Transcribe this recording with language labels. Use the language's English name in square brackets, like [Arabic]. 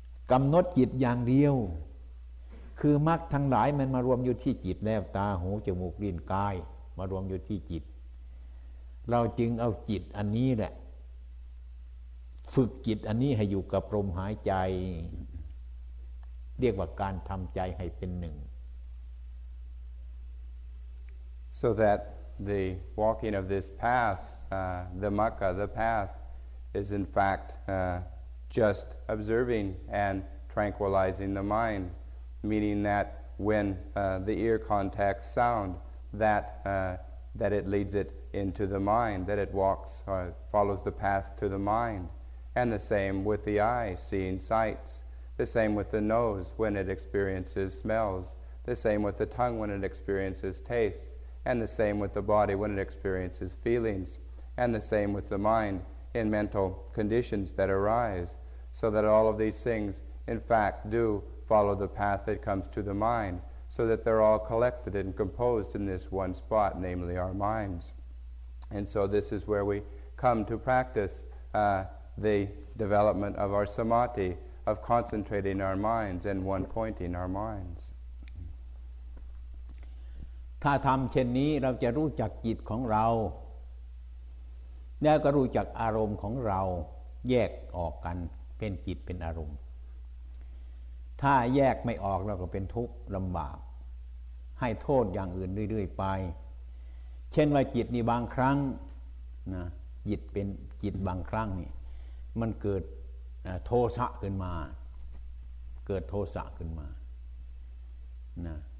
[Thai] กำหนดจิตอย่างเดียวคือมรรคทั้งหลายมันมารวมอยู่ที่จิตแล้วตาหูจมูกลิ้นกายมารวมอยู่ที่จิตเราจึงเอาจิตอันนี้แหละฝึกจิตอันนี้ให้อยู่กับลมหายใจเรียกว่าการทำใจให้เป็นหนึ่ง [English] so that the walking of this path the mukha the path is in fact just observing and tranquilizing the mind meaning that when the ear contacts sound that that it leads it into the mind that it walks follows the path to the mind and the same with the eye seeing sights the same with the nose when it experiences smells the same with the tongue when it experiences tastes and the same with the body when it experiences feelings and the same with the mind in mental conditions that arise so that all of these things in fact do follow the path that comes to the mind so that they're all collected and composed in this one spot namely our minds and so this is where we come to practice the development of our samadhi of concentrating our minds and one pointing our minds [Thai] ถ้าทำเช่นนี้เราจะรู้จักจิตของเราแล้วก็รู้จักอารมณ์ของเราแยกออกกันเป็นจิตเป็นอารมณ์ถ้าแยกไม่ออกเราก็เป็นทุกข์ลำบากให้โทษอย่างอื่นเรื่อยๆไปเช่นว่าจิตนี่บางครั้งนะจิตเป็นจิตบางครั้งนี่มันเกิดโทสะขึ้นมาเกิดโทสะขึ้นมานะ